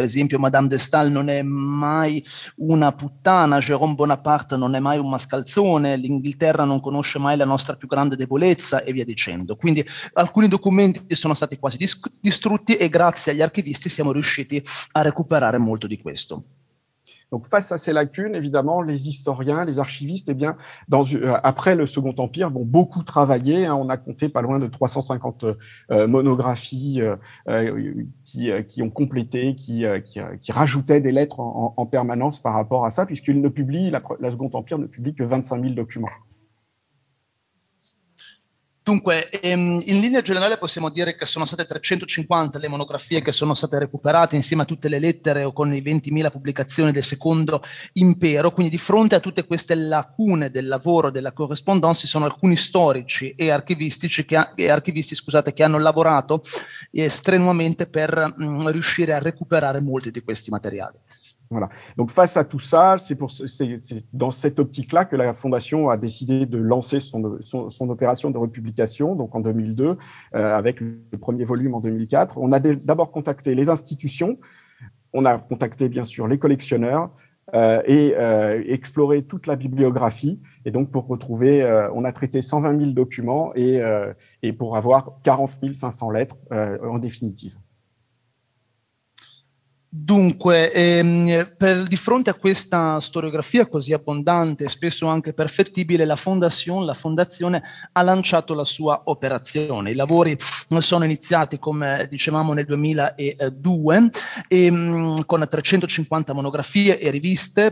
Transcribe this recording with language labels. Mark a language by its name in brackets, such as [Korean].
[Italian] Per esempio, Madame de Staël non è mai una puttana, Jérôme Bonaparte non è mai un mascalzone, l'Inghilterra non conosce mai la nostra più grande debolezza e via dicendo. Quindi alcuni documenti sono stati quasi distrutti e grazie agli archivisti siamo riusciti a recuperare molto di questo. [French] Donc face à ces lacunes, évidemment, les historiens, les archivistes, eh bien, après le Second Empire, vont beaucoup travailler. Hein, on a compté pas loin de 350 monographies qui ont complété, qui rajoutaient des lettres en permanence par rapport à ça, puisqu'ils ne publient, la Second Empire ne publie que 25 000 documents. [Italian] Dunque, in linea generale possiamo dire che sono state 350 le monografie che sono state recuperate insieme a tutte le lettere o con i 20.000 pubblicazioni del Secondo Impero. Quindi di fronte a tutte queste lacune del lavoro, della corrispondenza, sono alcuni storici e archivisti che hanno lavorato strenuamente per riuscire a recuperare molti di questi materiali. [French] Voilà. Donc face à tout ça, c'est dans cette optique-là que la Fondation a décidé de lancer son opération de republication, donc en 2002, avec le premier volume en 2004. On a d'abord contacté les institutions, on a contacté bien sûr les collectionneurs et exploré toute la bibliographie. Et donc pour retrouver, on a traité 120 000 documents et pour avoir 40 500 lettres en définitive. [Italian] Dunque, di fronte a questa storiografia così abbondante, spesso anche perfettibile, la Fondazione ha lanciato la sua operazione. I lavori sono iniziati, come dicevamo, nel 2002, con 350 monografie e riviste.